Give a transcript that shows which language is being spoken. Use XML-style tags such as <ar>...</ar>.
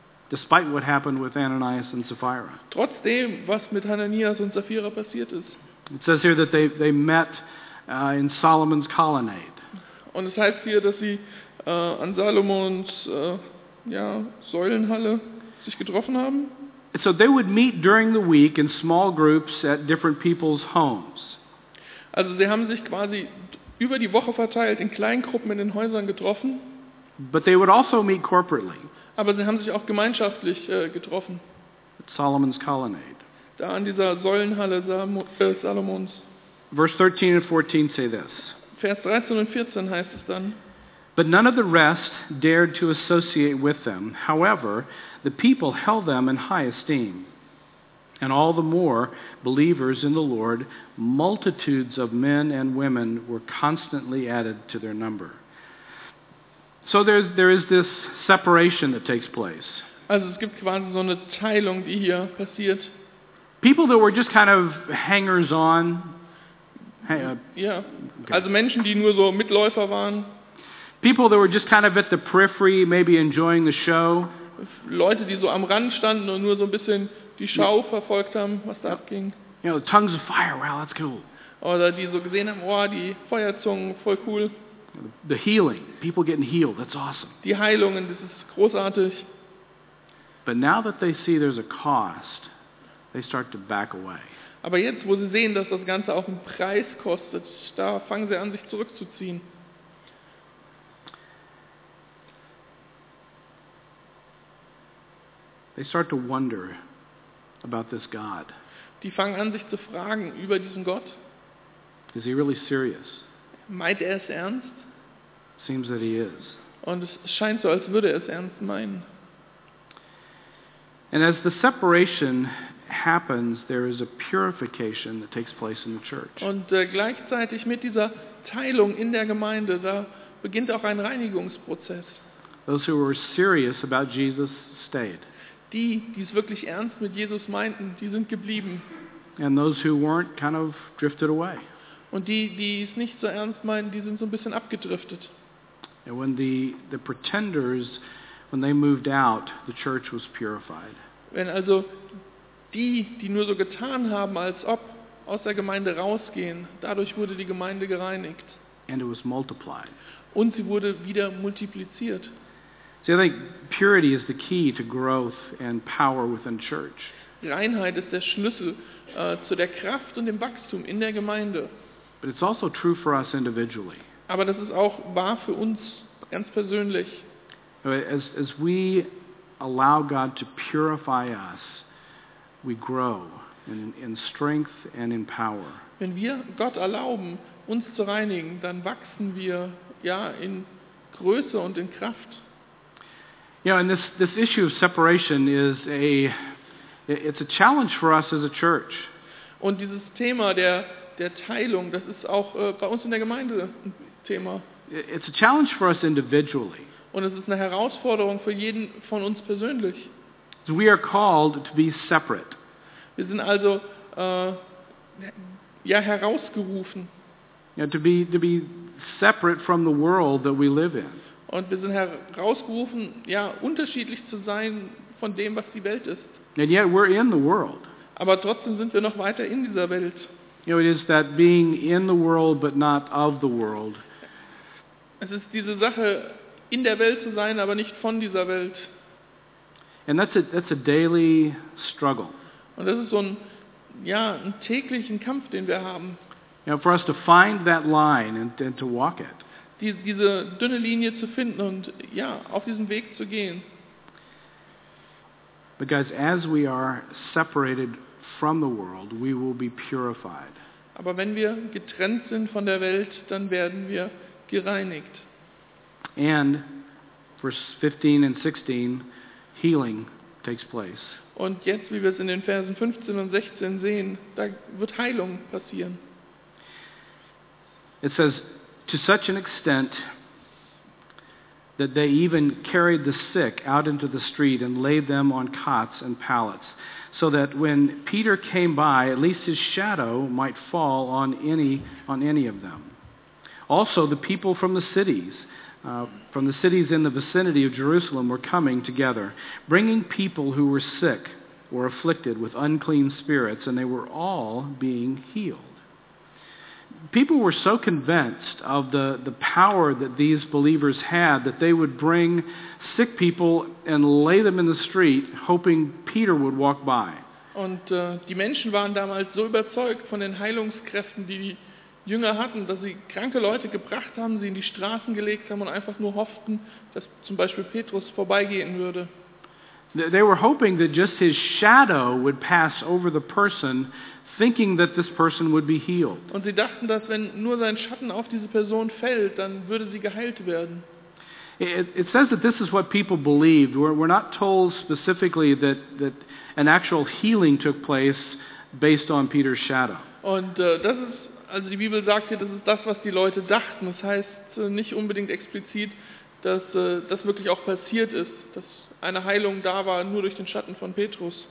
<en>Despite what happened with Ananias and Sapphira.</en> <de>Trotzdem, was mit Ananias und Sapphira passiert ist.</de> <en>It says here that they met in Solomon's colonnade.</en> <de>Und es heißt hier, dass sie an Salomons ja Säulenhalle sich getroffen haben.</de> <en>And so they would meet during the week in small groups at different people's homes.</en> <de>Also sie haben sich quasi über die Woche verteilt in kleinen Gruppen in den Häusern getroffen.</de> <en>But they would also meet corporately.</en> <de>Aber sie haben sich auch gemeinschaftlich getroffen.</de> <en>At Solomon's colonnade.</en> <de>Da an dieser Säulenhalle Salomons.</de> <en>Verse 13 and 14 say this.</en> <de>Vers 13 und 14 heißt es dann.</de> <en>But none of the rest dared to associate with them. However, the people held them in high esteem. And all the more believers in the Lord, multitudes of men and women were constantly added to their number. So there is this separation that takes place.</en> <de>Also es gibt quasi so eine Teilung, die hier passiert.</de> <en>People that were just kind of hangers-on.</en> <de>Also Menschen, die nur so Mitläufer waren.</de> <en>People that were just kind of at the periphery, maybe enjoying the show.</en> <de>Leute, die so am Rand standen und nur so ein bisschen die Schau verfolgt haben, was da abging.</de> <en>You know, tongues of fire, wow, that's cool.</en> <de>Oder die so gesehen haben, wow, die Feuerzungen, voll cool.</de> <en>The healing, people getting healed, that's awesome.</en> <de>Die Heilungen, das ist großartig.</de> <en>But now that they see there's a cost, they start to back away.</en> <de>Aber jetzt, wo sie sehen, dass das Ganze auch einen Preis kostet, da fangen sie an, sich zurückzuziehen.</de> <en>They start to wonder about this God.</en> <de>Die fangen an, sich zu fragen über diesen Gott.</de> <en>Is he really serious?</en> <de>Meint er es ernst?</de> <en>Seems that he is.</en> <de>Und es scheint so, als würde er es ernst meinen.</de> <en>And as the separation happens, there is a purification that takes place in the church.</en> <de>Und gleichzeitig mit dieser Teilung in der Gemeinde, da beginnt auch ein Reinigungsprozess.</de> <en>Those who were serious about Jesus stayed.</en> <de>Die, die es wirklich ernst mit Jesus meinten, die sind geblieben.</de> <en>And those who weren't kind of drifted away.</en> <de>Und die, die es nicht so ernst meinen, die sind so ein bisschen abgedriftet.</de> <en>And when the pretenders, when they moved out, the church was purified.</en> <de>Wenn also die, die nur so getan haben, als ob aus der Gemeinde rausgehen, dadurch wurde die Gemeinde gereinigt.</de> <en>And it was multiplied.</en> <de>Und sie wurde wieder multipliziert.</de> <en>See, I think purity is the key to growth and power within church.</en> <de>Reinheit ist der Schlüssel zu der Kraft und dem Wachstum in der Gemeinde.</de> <en>But it's also true for us individually.</en> <de>Aber das ist auch wahr für uns ganz persönlich.</de> <en>As we allow God to purify us, we grow in strength and in power.</en> <de>Wenn wir Gott erlauben, uns zu reinigen, dann wachsen wir ja in Größe und in Kraft.</de> <en>You know, and this issue of separation is it's a challenge for us as a church.</en> <de>Und dieses Thema der Teilung, das ist auch bei uns in der Gemeinde ein Thema.</de> <en>It's a challenge for us individually.</en> <de>Und es ist eine Herausforderung für jeden von uns persönlich.</de> <en>So we are called to be separate.</en> <de>Wir sind also herausgerufen.</de> <en>Yeah, to be separate from the world that we live in.</en> <de>Und wir sind herausgerufen, ja, unterschiedlich zu sein von dem, was die Welt ist.</de> <en>And yet we're in the world.</en> <de>Aber trotzdem sind wir noch weiter in dieser Welt.</de> <en>You know, it is that being in the world but not of the world.</en> <de>Es ist diese Sache, in der Welt zu sein, aber nicht von dieser Welt.</de> <en>And that's a daily struggle.</en> <de>Und das ist so ein täglichen Kampf, den wir haben.</de> <en>You know, for us to find that line and to walk it.</en> <de>Diese dünne Linie zu finden und ja, auf diesem Weg zu gehen.</de> <en>But guys, as we are separated from the world, we will be purified.</en> <de>Aber wenn wir getrennt sind von der Welt, dann werden wir gereinigt.</de> <en>And verse 15 and 16, healing takes place.</en> <de>Und jetzt, wie wir es in den Versen 15 und 16 sehen, da wird Heilung passieren.</de> <en>It says, to such an extent that they even carried the sick out into the street and laid them on cots and pallets, so that when Peter came by, at least his shadow might fall on any of them. Also, the people from the cities, in the vicinity of Jerusalem were coming together, bringing people who were sick or afflicted with unclean spirits, and they were all being healed. People were so convinced of the power that these believers had that they would bring sick people and lay them in the street, hoping Peter would walk by.</en> <de>Und die Menschen waren damals so überzeugt von den Heilungskräften, die die Jünger hatten, dass sie kranke Leute gebracht haben, sie in die Straßen gelegt haben und einfach nur hofften, dass zum Beispiel Petrus vorbeigehen würde.</de> <en>They were hoping that just his shadow would pass over the person, thinking that this person would be healed.</en> <de>Und sie dachten, dass wenn nur sein Schatten auf diese Person fällt, dann würde sie geheilt werden.</de> <en>It says that this is what people believed. We're not told specifically that an actual healing took place based on Peter's shadow.</en> <de>Und das ist, also die Bibel sagt hier, das ist das, was die Leute dachten. Das heißt nicht unbedingt explizit, dass das wirklich auch passiert ist, dass eine Heilung da war, nur durch den Schatten von Petrus.</de>